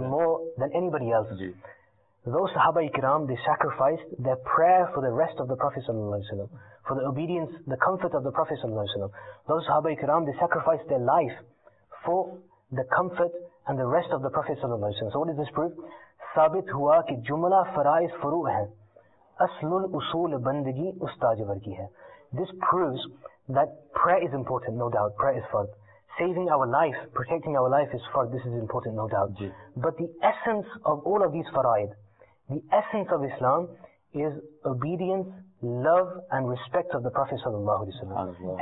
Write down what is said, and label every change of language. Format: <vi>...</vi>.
<en>more than anybody else,</en> <ur>Ji,</ur> <en>those Sahaba kiram, they sacrificed their prayer for the rest of the Prophet sallallahu alayhi wa sallam, for the obedience, the comfort of the Prophet sallallahu alayhi wa sallam. Those Sahaba kiram, they sacrificed their life for the comfort and the rest of the Prophet sallallahu alayhi wa sallam. So what is this proof?</en> <ur>ثابت ہوا کہ جملہ فرائض فروع ہیں اصل الاصول بندگی استاد ورگی ہے.</ur> <en>This proves that prayer is important, no doubt. Prayer is fard. Saving our life, protecting our life is fard. This is important, no doubt. Yes. But the essence of all of these faraid, the essence of Islam is obedience, love and respect of the Prophet sallallahu alaihi wasallam.</en>